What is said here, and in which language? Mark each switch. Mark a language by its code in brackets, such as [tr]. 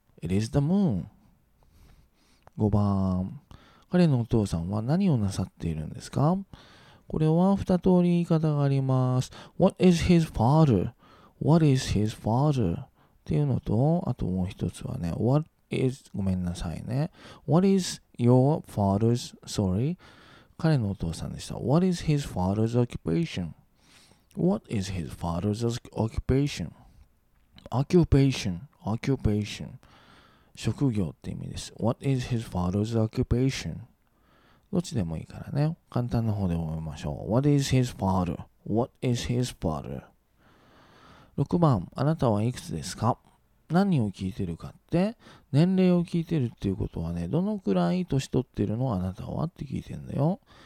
[en] It is the moon. 5番。 [ja] 彼のお父さんは何をなさっているんですか?これは二通り言い方があります。 [en] What is his father? What is his father? [ja] っていうのと、あともう一つはね、 [en] What is, [ja] ごめんなさいね。 [en] What is your father's, sorry, [ja] 彼のお父さんでした。 [en] What is his father's occupation? What is his father's occupation? Occupation, occupation. [ja] 職業って意味です。 [en] What is his father's occupation? [ja] どっちでもいいからね。簡単な方で覚えましょう。 [en] What is his father? What is his father? [ja] 6番、あなたはいくつですか?何を聞いてるかって、年齢を聞いてるっていうことはね、どのくらい年取ってるのあなたはって聞いてんだよ。